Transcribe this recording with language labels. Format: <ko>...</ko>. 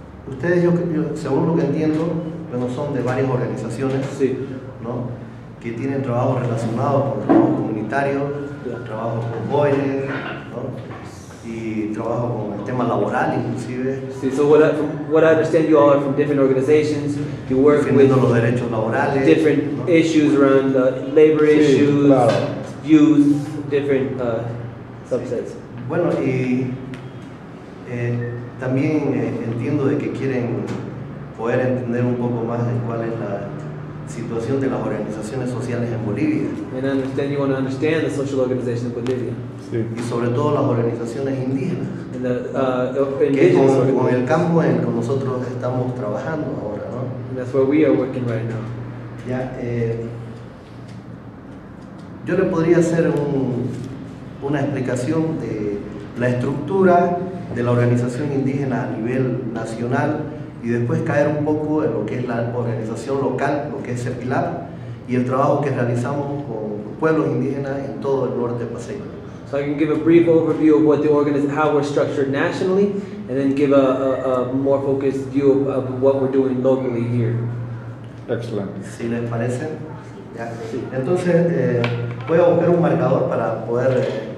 <es>Ustedes, yo, según lo que entiendo, bueno, son de varias organizaciones, sí, ¿no? Que tienen trabajos relacionados con trabajo comunitario, yeah, trabajo con jóvenes, ¿no? Y trabajo con el tema laboral, inclusive.</es> <en>Sí, so what I understand, you all are from different organizations. You work</en> <es>defendiendo</es> <en>with</en> <es>los derechos laborales,</es> <en>different, ¿no? Issues around labor,</en> <es>sí,</es> <en>issues,</en> <es>claro,</es> <en>views, different subsets.</en> <es>Bueno, y también entiendo de que quieren poder entender un poco más de cuál es la situación de las organizaciones sociales en Bolivia.</es> <en>And I understand you want to understand the social organizations in Bolivia.</en> <es>Sí. Y sobre todo las organizaciones indígenas.</es> <en>And indigenous</en> <es>que con el campo en el que nosotros estamos trabajando ahora, ¿no?</es> <en>And that's where we are working right now.</en> <es>Ya, yo le podría hacer una explicación de la estructura de la organización indígena a nivel nacional y después caer un poco en lo que es la organización local, lo que es CEPILAP, y el trabajo que realizamos con pueblos indígenas en todo el norte paseño.</es> <en>So I can give a brief overview of what the organization, how we're structured nationally, and then give a more focused view of what we're doing locally here. Excellent.</en> <es>Si les parece. Ya. Sí. Entonces, voy a buscar un marcador para poder.</es>